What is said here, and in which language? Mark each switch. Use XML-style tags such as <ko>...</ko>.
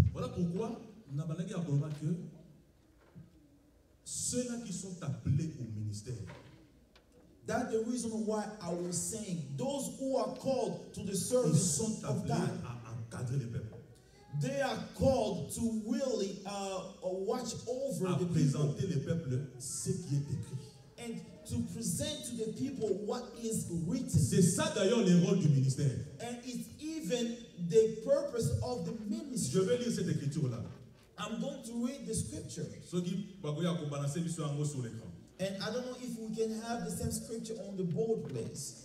<fr>Voilà pourquoi nous avons dit à Boba que ceux-là qui sont appelés au ministère.</fr> <en>That's the reason why I was saying those who are called to the service</en> <fr>sont</fr> <en>of God.</en> <fr>À encadrer les peuples.</fr> <en>They are called to really watch over</en> <fr>à</fr> <en>the</en> <fr>présenter</fr> <en>people.</en> <fr>Les peuples ce qui est écrit.</fr> <en>And to present to the people what is written.</en> <fr>C'est ça d'ailleurs le rôle du ministère.</fr> <en>And it's even the purpose of the ministry.</en> <fr>Je vais lire cette écriture là.</fr> <en>I'm going to read the scripture.</en> <fr>Ce qui va vous accompagner sur un mot sur l'écran.</fr> <en>And I don't know if we can have the same scripture on the board, please.</en>